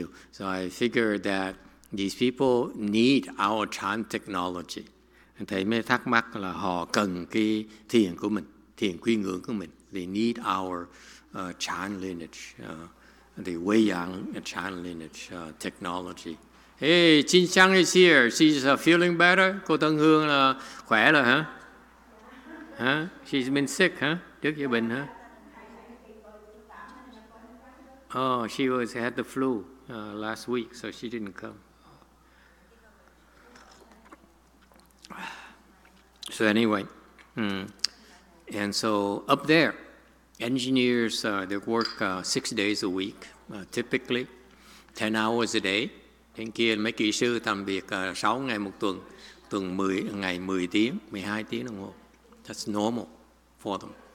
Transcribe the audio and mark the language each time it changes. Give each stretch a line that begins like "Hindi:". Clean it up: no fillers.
English: So I figured that these people need our chan technology.
Vietnamese: Thầy mới thắc mắc là họ cần cái thiền của mình, thiền quy ngưỡng của mình.
English: They need our chan lineage, the Weiyang chan lineage technology. Hey, Chin Chang is here. She's feeling better.
Vietnamese: Cô Tân Hương là khỏe rồi hả?
English: She's been sick, huh?
Vietnamese: Trước giờ bệnh hả?
English: Oh, she was had the flu last week, so she didn't come. So anyway, and so up there, engineers they work 6 days a week, typically 10 hours a day.
Vietnamese: Bên kia mấy kỹ sư làm việc 6 ngày một tuần, tuần 10 ngày 10 tiếng, 12 tiếng đồng hồ.
English: That's normal for them.